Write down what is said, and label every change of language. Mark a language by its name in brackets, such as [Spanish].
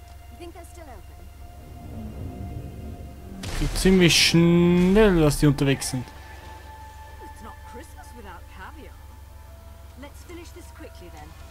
[English] You think they're still open? [German] Wie ziemlich schnell, dass die unterwegs sind. [English] It's not Christmas without caviar. Let's finish this quickly then.